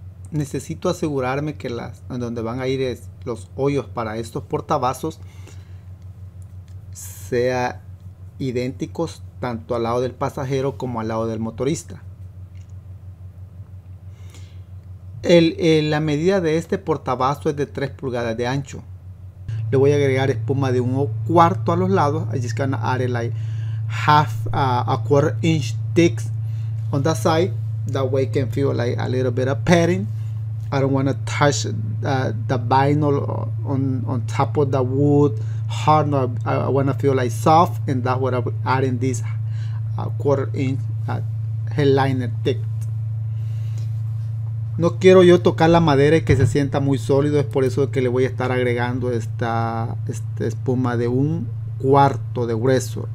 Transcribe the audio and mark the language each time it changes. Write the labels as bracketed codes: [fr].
[es] Necesito asegurarme que las donde van a ir es, los hoyos para estos portavasos sea idénticos tanto al lado del pasajero como al lado del motorista. La medida de este portavaso es de 3 pulgadas de ancho. Le voy a agregar espuma de 1/4 a los lados. [en] I just gonna add it like half a quarter inch thick on the side. That way it can feel like a little bit of padding. I don't want to touch the vinyl on top of the wood. Hard, no, I want to feel like soft, and that's what I'm adding this quarter inch headliner thick. [es] No quiero yo tocar la madera y que se sienta muy sólido, es por eso que le voy a estar agregando esta espuma de 1/4 de grueso.